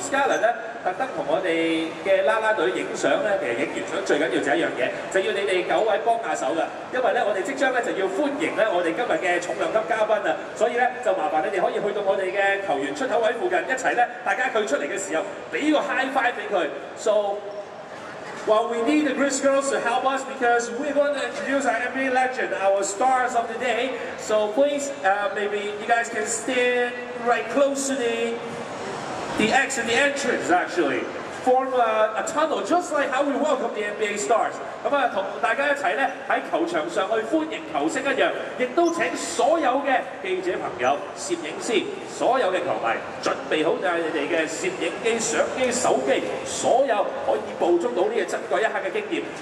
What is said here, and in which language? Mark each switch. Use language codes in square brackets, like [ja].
[yue] Scarlett 呢特地和我們的啦啦隊拍照，其實拍完照最重要就是一樣東西，就要你們九位幫下手的，因為呢我們即將就要歡迎我們今天的重量級嘉賓，所以呢就麻煩你們可以去到我們的球員出口位附近，一起呢大家他出來的時候給一個 high five 給他。 [en] So well, we need the Chris girls to help us because we're going to introduce our NBA legend, our stars of the day. So please, maybe you guys can stand right close to the exit, the entrance actually. Form a tunnel just like how we welcome the NBA stars. [yue] 咁啊，同大家一齊咧喺球場上去歡迎球星一樣，亦都請所有嘅記者朋友、攝影師、所有嘅球迷準備好曬你哋嘅攝影機、相機、手機，所有可以捕捉到呢個珍貴一刻嘅經驗。